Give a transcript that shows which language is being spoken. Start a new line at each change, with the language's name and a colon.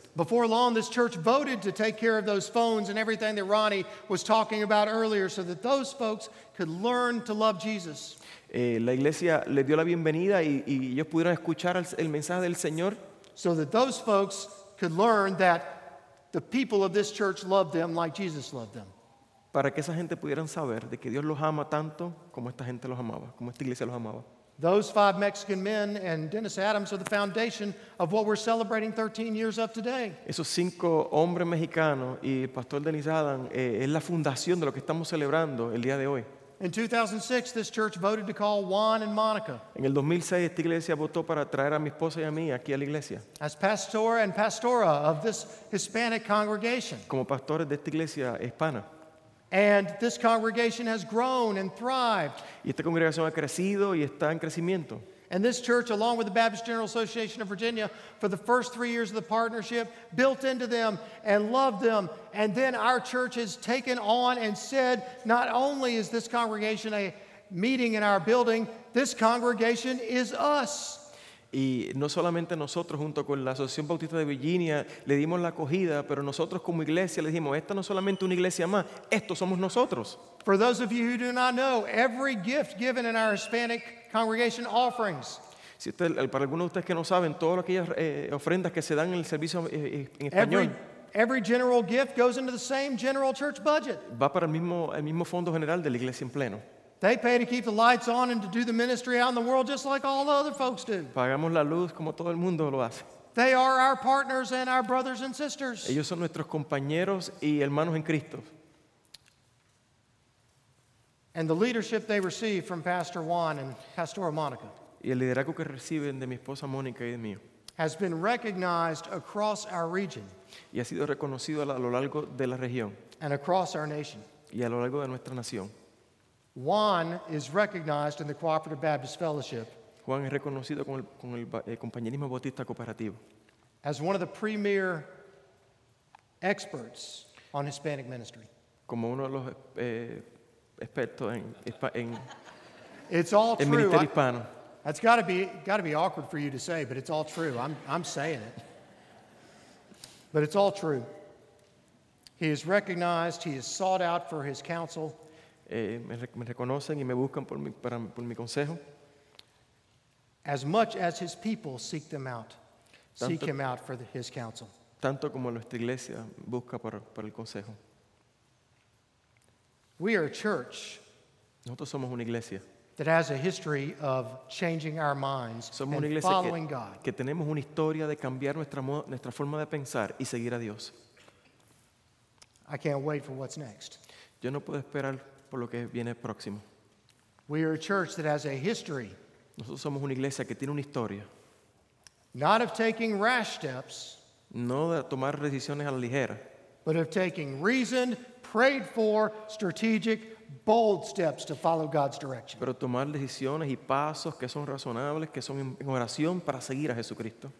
English: Before long, this church voted to take care of those phones and everything that Ronnie was talking about earlier so that those folks could learn to love Jesus.
Spanish: La iglesia le dio la bienvenida y ellos pudieron escuchar el mensaje del Señor.
English: So that those folks could learn that the people of this church loved them like Jesus loved them.
Spanish: Para que esa gente pudieran saber de que Dios los ama tanto como esta gente los amaba, como esta iglesia los amaba.
English: Those five Mexican men and Dennis Adams are the foundation of what we're celebrating 13 years of today.
Spanish: Esos cinco hombres mexicanos y el pastor Dennis Adams es la fundación de lo que estamos celebrando el día de hoy.
English: In 2006, this church voted to call Juan and Monica.
Spanish: En el 2006, esta iglesia votó para traer a mi esposa y a mí aquí a la iglesia.
English: As pastor and pastora of this Hispanic congregation.
Spanish: Como pastores de esta iglesia hispana.
English: And this congregation has grown and thrived.
Spanish: Y esta congregación ha crecido y está en crecimiento.
English: And this church, along with the Baptist General Association of Virginia, for the first 3 years of the partnership, built into them and loved them. And then our church has taken on and said, not only is this congregation a meeting in our building, this congregation is us.
Spanish: Y no solamente nosotros, junto con la Asociación Bautista de Virginia, le dimos la acogida, pero nosotros como iglesia le dijimos, esta no es solamente una iglesia más, esto somos nosotros.
English: For those of you who do not know, every gift given in our Hispanic congregation offerings.
Spanish: Si usted, para algunos de ustedes que no saben, todas aquellas ofrendas que se dan en el servicio en español.
English: Every general gift goes into the same general church budget.
Spanish: Va para el mismo fondo general de la iglesia en pleno.
English: They pay to keep the lights on and to do the ministry out in the world just like all the other folks do.
Spanish: Pagamos la luz como todo el mundo lo hace.
English: They are our partners and our brothers and sisters.
Spanish: Ellos son nuestros compañeros y hermanos en Cristo.
English: And the leadership they receive from Pastor Juan and Pastora Monica.
Spanish: Y el liderazgo que reciben de mi esposa Mónica y de mío.
English: Has been recognized across our region.
Spanish: Y ha sido reconocido a lo largo de la región.
English: And across our nation.
Spanish: Y a lo largo de nuestra nación.
English: Juan is recognized in the Cooperative Baptist Fellowship.
Spanish: Juan es reconocido con el compañerismo bautista cooperativo.
English: As one of the premier experts on Hispanic ministry.
Spanish: Como uno de los expertos en
English: It's all true.
Spanish: En ministerio hispano.
English: That's got to be awkward for you to say, but it's all true. I'm saying it. But it's all true. He is recognized. He is sought out for his counsel.
Spanish: Me reconocen y me buscan por mi consejo.
English: As much as his people seek them out, tanto, seek him out for his counsel.
Spanish: Tanto como nuestra iglesia busca por el consejo.
English: We are a church.
Spanish: Nosotros somos una iglesia.
English: That has a history of changing our minds
Spanish: somos
English: and following God.
Spanish: Que tenemos una historia de cambiar nuestra forma de pensar y seguir a Dios.
English: I can't wait for what's next.
Spanish: Yo no puedo esperar por lo que viene próximo.
English: We are a church that has a history.
Spanish: Nosotros somos una iglesia que tiene una historia.
English: Not of taking rash steps.
Spanish: No de tomar decisiones a la ligera.
English: But of taking reasoned, prayed for, strategic, bold steps to follow God's direction.
Spanish: Pero tomar decisiones y pasos que son razonables, que son en oración para seguir a Jesucristo.